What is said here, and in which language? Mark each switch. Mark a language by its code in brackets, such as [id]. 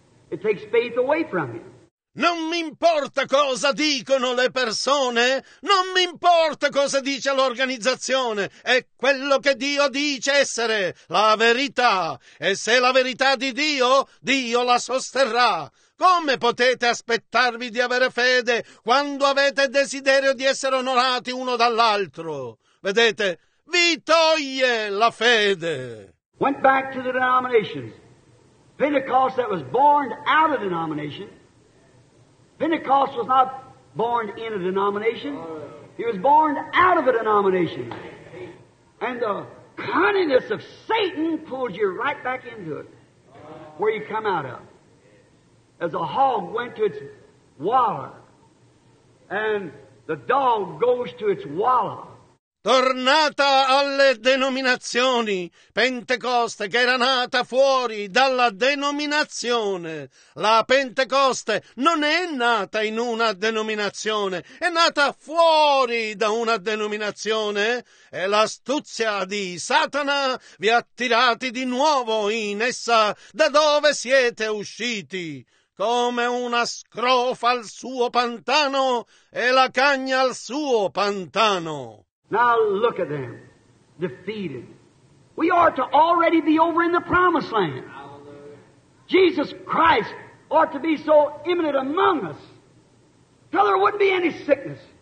[en] It takes faith away from you. [it] Non mi importa cosa dicono le persone, non mi importa cosa dice l'organizzazione, è quello che Dio dice essere la verità, e se la verità di Dio, Dio la sosterrà. Come potete aspettarvi di avere fede quando avete desiderio di essere onorati uno dall'altro? Vedete, vi toglie la fede. [en] Went back to the denominations. Pentecost that was born out of denomination. Pentecost was not born in a denomination. He was born out of a denomination. And the cunningness of Satan pulled you right back into it, where you come out of. As a hog went to its wallow, and the dog goes to its wallow. [it] Tornata alle denominazioni, Pentecoste che era nata fuori dalla denominazione. La Pentecoste non è nata in una denominazione, è nata fuori da una denominazione. E l'astuzia di Satana vi ha tirati di nuovo in essa da dove siete usciti. Come una scrofa al suo pantano e la cagna al suo pantano. [en] Now look at them, defeated. We ought to already be over in the promised land. Jesus Christ ought to be so imminent among us till there wouldn't be any sickness.